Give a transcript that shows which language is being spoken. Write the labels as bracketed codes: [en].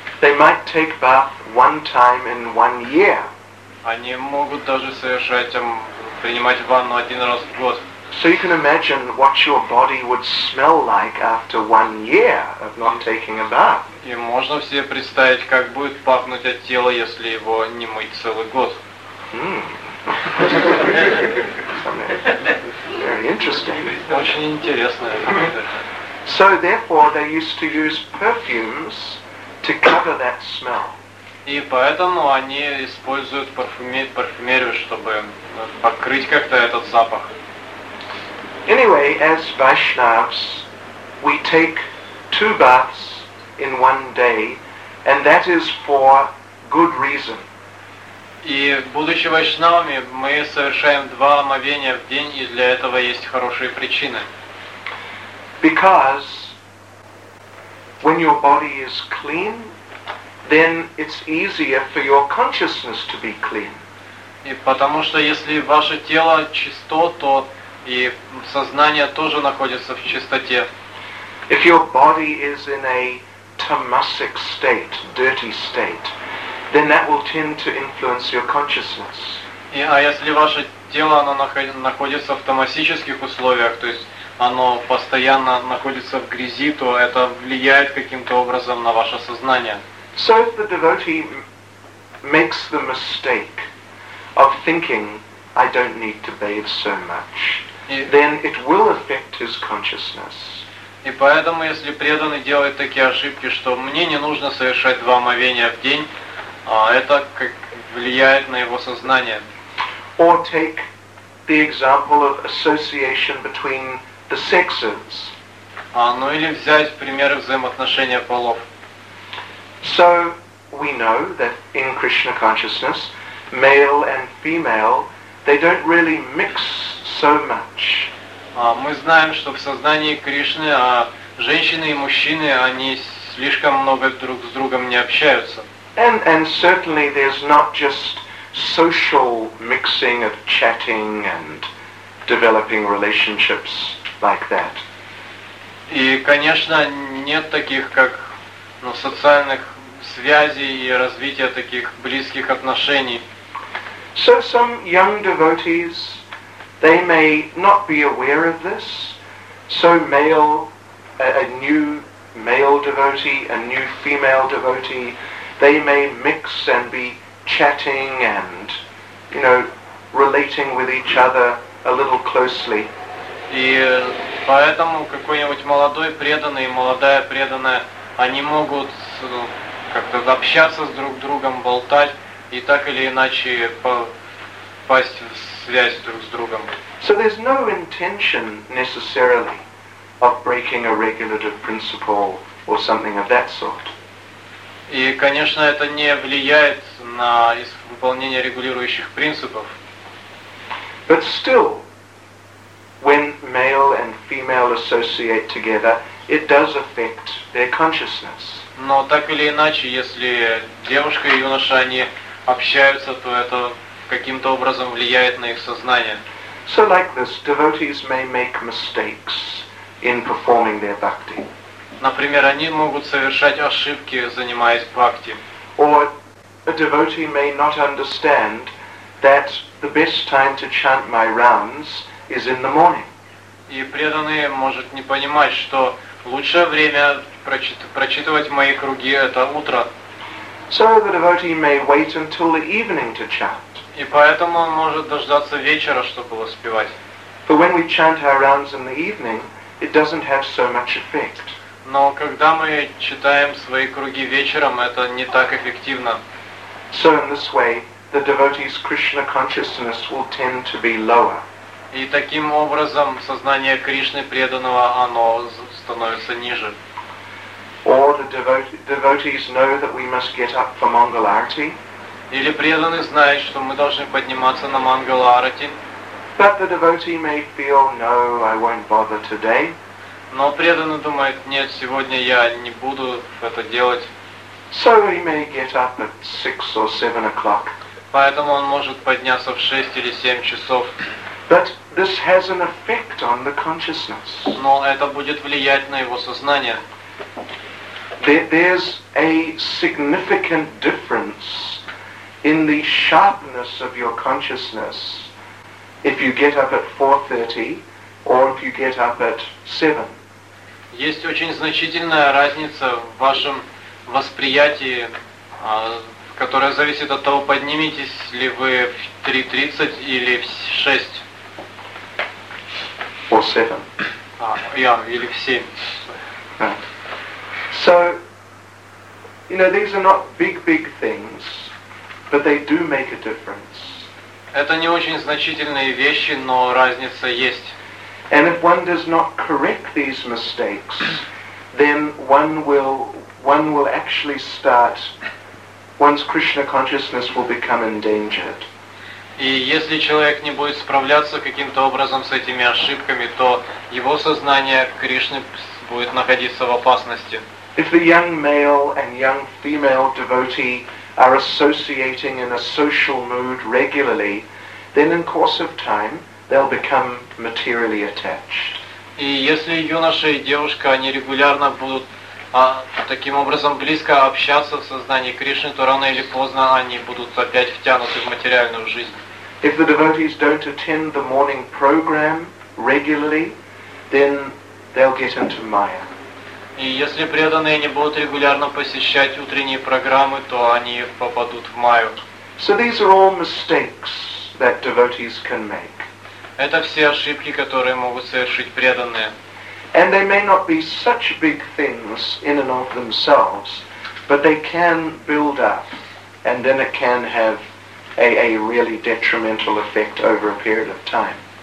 [en] They might take bath one time in one year. [ru] Они могут даже принимать ванну один раз в год. [en] So you can imagine what your body would smell like after one year of not taking a bath. [ru] И можно себе представить, как будет пахнуть от тела, если его не мыть целый год. [en] Very interesting. [ru] Очень интересно. [en] So therefore they used to use perfumes to cover that smell. [ru] И поэтому они используют парфюмерию, чтобы покрыть как-то этот запах. [en] Anyway, as Vaishnavas, we take two baths in one day, and that is for good reason. [ru] И будучи вайшнавами, мы совершаем два омовения в день, и для этого есть хорошие причины. [en] Because when your body is clean, then it's easier for your consciousness to be clean. [ru] И потому что если ваше тело чисто, то и сознание тоже находится в чистоте. [en] If your body is in a tamasic state, dirty state, then that will tend to influence your consciousness. [ru] И, а если ваше тело оно находится в тамасических условиях, то есть оно постоянно находится в грязи, то это влияет каким-то образом на ваше сознание. [en] So if the devotee makes the mistake of thinking, I don't need to bathe so much, then it will affect his consciousness. [ru] И поэтому, если преданный делает такие ошибки, что мне не нужно совершать два омовения в день, Это как влияет на его сознание. [en] Or take the example of association between the sexes. [ru] Ну или взять пример взаимоотношения полов. [en] So we know that in Krishna consciousness, male and female, they don't really mix so much. [ru] Мы знаем, что в сознании Кришны женщины и мужчины, они слишком много друг с другом не общаются. [en] And certainly there's not just social mixing of chatting and developing relationships like that. [ru] И, конечно, нет таких как социальных связей и развития таких близких отношений. [en] So some young devotees, they may not be aware of this. So a new female devotee, they may mix and be chatting and, you know, relating with each other a little closely. [ru] И поэтому какой-нибудь молодой преданный, молодая преданная, они могут как-то общаться с друг другом, болтать и так или иначе попасть в связь друг с другом. [en] So there's no intention necessarily of breaking a regulative principle or something of that sort. [ru] И, конечно, это не влияет на выполнение регулирующих принципов. [en] But still, when male and female associate together, it does affect their consciousness. [ru] Но так или иначе, если девушка и юноша они общаются, то это каким-то образом влияет на их сознание. [en] So like this, devotees may make mistakes in performing their bhakti. [ru] Например, они могут совершать ошибки, занимаясь бхакти. [en] Or a devotee may not understand that the best time to chant my rounds is in the morning. [ru] И преданные может не понимать, что лучшее время прочитывать мои круги – это утро. [en] So the devotee may wait until the evening to chant. [ru] И поэтому он может дождаться вечера, чтобы воспевать. [en] But when we chant our rounds in the evening, it doesn't have so much effect. [ru] Но когда мы читаем свои круги вечером, это не так эффективно. [en] So in this way, the devotee's Krishna consciousness will tend to be lower. [ru] И таким образом сознание Кришны преданного оно становится ниже. [en] Or the devotees know that we must get up for Mangal Arati. [ru] Или преданный знает, что мы должны подниматься на Мангал Арати. [en] But the devotee may feel, no, I won't bother today. [ru] Но преданный думает, нет, сегодня я не буду это делать. [en] So he may get up at 6 or 7 o'clock. [ru] Поэтому он может подняться в 6 или 7 часов. [en] But this has an effect on the consciousness. [ru] Но это будет влиять на его сознание. [en] There's a significant difference in the sharpness of your consciousness if you get up at 4:30 or if you get up at 7. [ru] Есть очень значительная разница в вашем восприятии, которая зависит от того, подниметесь ли вы в 3:30 или в 6. [en] Or 7. [ru] Или в 7. [en] Right. So, you know, these are not big things, but they do make a difference. [ru] Это не очень значительные вещи, но разница есть. [en] And if one does not correct these mistakes, then one will actually start, one's Krishna consciousness will become endangered. [ru] И если человек не будет справляться каким-то образом с этими ошибками, то его сознание Кришны будет находиться в опасности. [en] If the young male and young female devotee are associating in a social mood regularly, then in course of time, they'll become materially attached. [ru] И если юноша и девушка, они регулярно будут таким образом близко общаться в сознании Кришны, то рано или поздно они будут опять втянуты в материальную жизнь. [en] If the devotees don't attend the morning program regularly, then they'll get into Maya. [ru] И если преданные не будут регулярно посещать утренние программы, то они попадут в Майю. [en] So these are all mistakes that devotees can make. [ru] Это все ошибки, которые могут совершить преданные. [en] And they may not be such big things in and of themselves, but they can build up. and then it can have a really detrimental effect over a period of time.